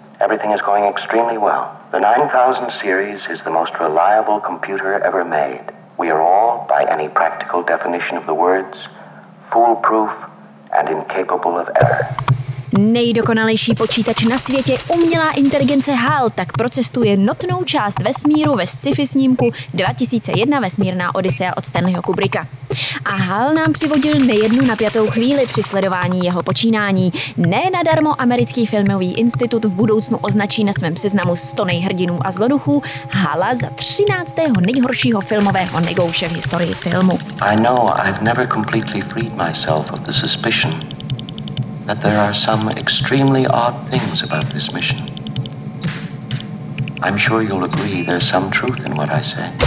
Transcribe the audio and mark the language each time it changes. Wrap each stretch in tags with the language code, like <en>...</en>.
<en>Everything is going extremely well. The 9000 series is the most reliable computer ever made. We are all, by any practical definition of the words, foolproof and incapable of error.</en> <cs>Nejdokonalejší počítač na světě, umělá inteligence HAL, tak procestuje notnou část vesmíru ve sci-fi snímku 2001 vesmírná odysea od Stanleyho Kubricka. A HAL nám přivodil nejednu napjatou chvíli při sledování jeho počínání. Ne nadarmo americký filmový institut v budoucnu označí na svém seznamu 100 nejhrdinů a zloduchů HALa za 13. nejhoršího filmového negouše v historii filmu.</cs> <en>I know I've never completely freed myself of the suspicion that there are some extremely odd things about this mission. I'm sure you'll agree there's some truth in what I say.</en>